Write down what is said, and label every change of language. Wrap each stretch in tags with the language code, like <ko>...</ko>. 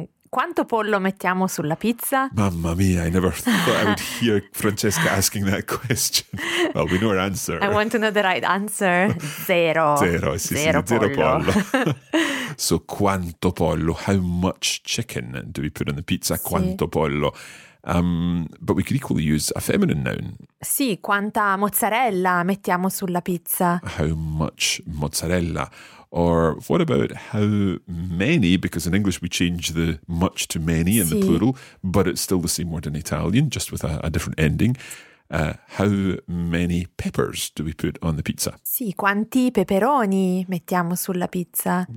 <it>Quanto pollo mettiamo sulla pizza?</it> <en>Mamma mia, I never thought I would hear Francesca asking that question. Well, we know her answer. I want to know the right answer.</en> <it>Zero. Zero, sì, zero sì, pollo. Zero pollo. So, quanto pollo?</it> <en>How much chicken do we put on the pizza?</en> <it>Sì. Quanto pollo?</it> <en>But we could equally use a feminine noun.</en> <it>Sì, quanta mozzarella mettiamo sulla pizza?</it> <en>How much mozzarella? Or what about how many? Because in English we change the much to many in</en> <it>sì.</it> <en>the plural, but it's still the same word in Italian, just with a different ending. How many peppers do we put on the pizza?</en> <it>Sì, quanti peperoni mettiamo sulla pizza?</it>